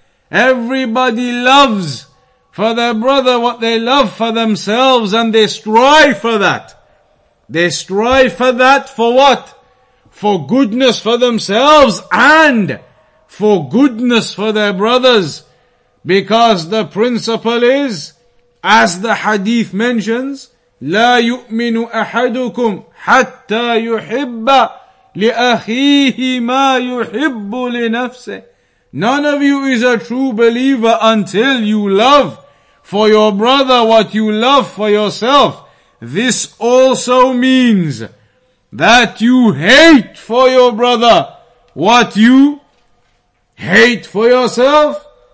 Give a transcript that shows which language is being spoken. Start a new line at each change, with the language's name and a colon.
English: Everybody loves for their brother what they love for themselves, and they strive for that. They strive for that for what? For goodness for themselves and for goodness for their brothers. Because the principle is, as the hadith mentions,
Arabic: لا يؤمن أحدكم حتى يحب لأخيه ما يحب لنفسه.
English: None of you is a true believer until you love for your brother what you love for yourself. This also means that you hate for your brother what you hate for yourself.